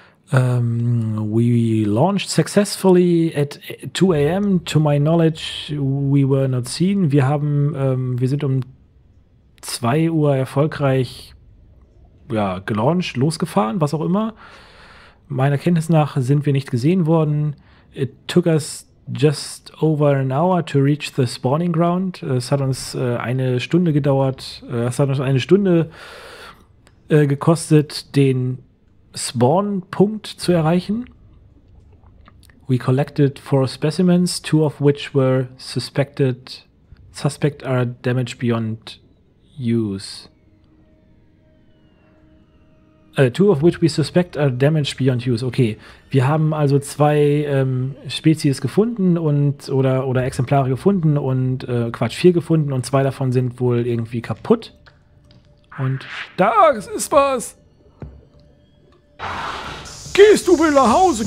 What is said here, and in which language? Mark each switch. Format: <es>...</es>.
<en>We launched successfully at 2 a.m. To my knowledge, we were not seen.</en> <de>Wir haben, wir sind um 2 Uhr erfolgreich, ja, gelauncht, losgefahren, was auch immer. Meiner Kenntnis nach sind wir nicht gesehen worden.</de> <en>It took us just over an hour to reach the spawning ground.</en> <de>Es hat uns eine Stunde gedauert, es hat uns eine Stunde gekostet, den Spawn-Punkt zu erreichen.</de> <en>We collected 4 specimens, 2 of which were suspected. Suspect are damaged beyond use. 2 of which we suspect are damaged beyond use.</en> <de>Okay, wir haben also 2 Spezies gefunden und oder Exemplare gefunden und 4 gefunden und 2 davon sind wohl irgendwie kaputt. Und da, es ist was! Gehst du wieder nach Hause?</de>